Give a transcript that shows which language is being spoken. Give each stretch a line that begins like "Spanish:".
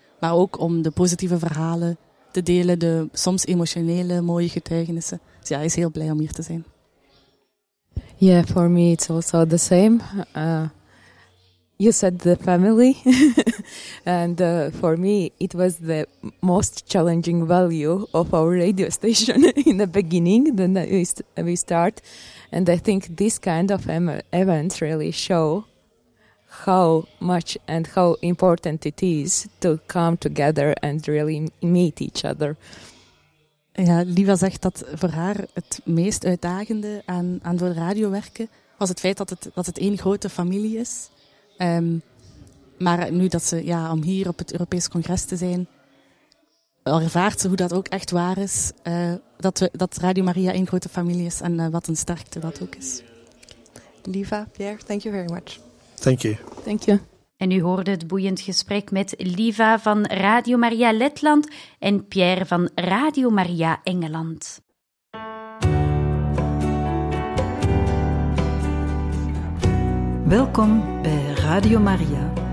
Dutch: Maar ook om de positieve verhalen te delen, de soms emotionele mooie getuigenissen. Dus hij is heel blij om hier te zijn.
English: Yeah, for me it's also the same. You said the family. And for me it was the most challenging value of our radio station in the beginning, we start. And I think this kind of events really show how much and how important it is to come together and really meet each other.
Dutch: Ja, Liva zegt dat voor haar het meest uitdagende aan voor de radio werken was het feit dat het één grote familie is. Maar nu dat ze om hier op het Europees Congres te zijn, ervaart ze hoe dat ook echt waar is, dat Radio Maria één grote familie is en wat een sterkte dat ook is.
English: Liva, Pierre, thank you very much. Thank you. Thank you.
Dutch: En u hoorde het boeiend gesprek met Liva van Radio Maria Letland en Pierre van Radio Maria Engeland. Welkom bij Radio Maria.